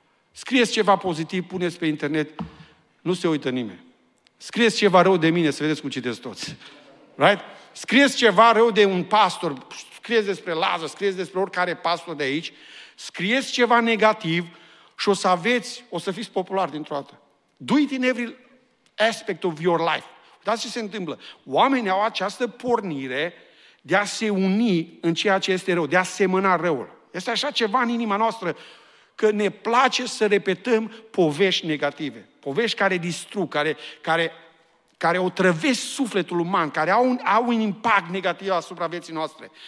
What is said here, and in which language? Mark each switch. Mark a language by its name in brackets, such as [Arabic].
[Romanian] Scrieți ceva pozitiv, puneți pe internet, nu se uită nimeni. Scrieți ceva rău de mine, să vedeți cum citesc toți. [English] Right? [Romanian] Scrieți ceva rău de un pastor, scrieți despre Lazar, scrieți despre oricare pastor de aici, scrieți ceva negativ și o să fiți popular dintr-o dată. [English] Do it in every aspect of your life. [Romanian] Uitați ce se întâmplă. Oamenii au această pornire de a se uni în ceea ce este rău, de a semăna răul. Este așa ceva în inima noastră, că ne place să repetăm povești negative, povești care distrug, care otrăvesc sufletul uman, care au un impact negativ asupra vieții noastre.